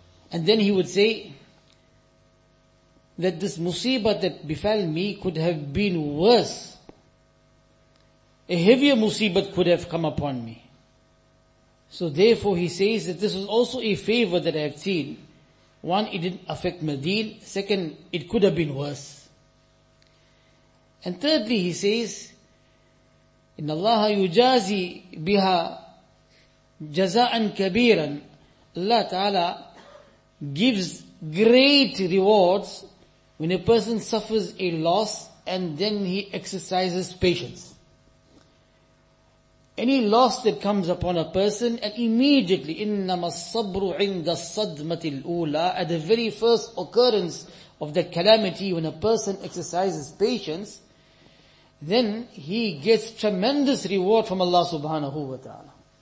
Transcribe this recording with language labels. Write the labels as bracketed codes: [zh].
[en] And then he would say that this musibah that befell me could have been worse. A heavier musibah could have come upon me. So therefore he says that this was also a favor that I have seen. One, it didn't affect my deen. Second, it could have been worse. And thirdly, he says, [ar] إِنَّ اللَّهَ يُجَازِي بِهَا جَزَاءً كَبِيرًا. [en] Allah Ta'ala gives great rewards when a person suffers a loss and then he exercises patience. Any loss that comes upon a person, and immediately, [ar] إِنَّمَا الصَّبْرُ عِنْدَ الصَّدْمَةِ الْأُولَى, [en] at the very first occurrence of the calamity, when a person exercises patience, then he gets tremendous reward from Allah subhanahu wa ta'ala.